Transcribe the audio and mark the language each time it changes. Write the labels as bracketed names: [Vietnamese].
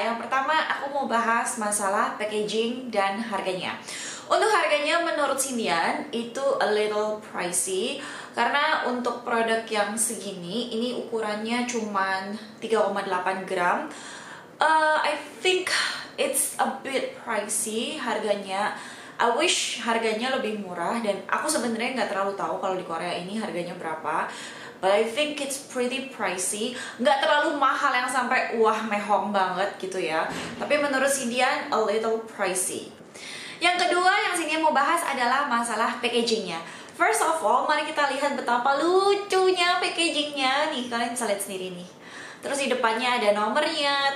[Indonesian] Yang pertama, aku mau bahas masalah packaging dan harganya. Untuk harganya, menurut Cynthia, itu [English] a little pricey. [Indonesian] Karena untuk produk yang segini, ini ukurannya cuma 3,8 gram. [English] I think it's a bit pricey [Indonesian] harganya. [English] I wish [Indonesian] harganya lebih murah. Dan aku sebenarnya nggak terlalu tahu kalau di Korea ini harganya berapa. [English] But I think it's pretty pricey. [Indonesian] Nggak terlalu mahal yang sampai wah mehong banget gitu ya. Tapi menurut Cynthia, [English] a little pricey. [Indonesian] Yang kedua yang Cynthia mau bahas adalah masalah packagingnya. [English] First of all, [Indonesian] mari kita lihat betapa lucunya packagingnya. Nih, kalian bisa lihat sendiri nih. Terus di depannya ada nomornya.